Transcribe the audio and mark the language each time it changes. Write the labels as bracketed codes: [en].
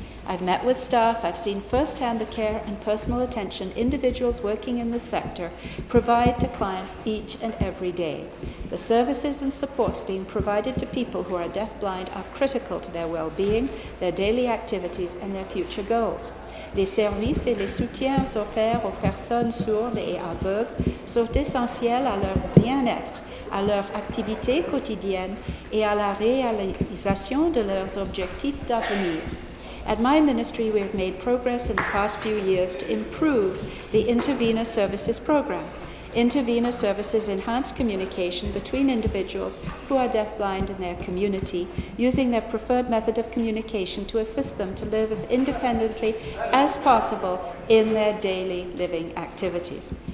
[en] I've met with staff, I've seen firsthand the care and personal attention individuals working in this sector provide to clients each and every day. The services and supports being provided to people who are deafblind are critical to their well-being, their daily activities and their future goals. [fr] Les services et les soutiens offerts aux personnes sourdes et aveugles sont essentiels à leur bien-être, à leur activité quotidienne et à la réalisation de leurs objectifs d'avenir. [en] At my ministry, we have made progress in the past few years to improve the Intervenor Services Program. Intervenor services enhance communication between individuals who are deafblind in their community, using their preferred method of communication to assist them to live as independently as possible in their daily living activities.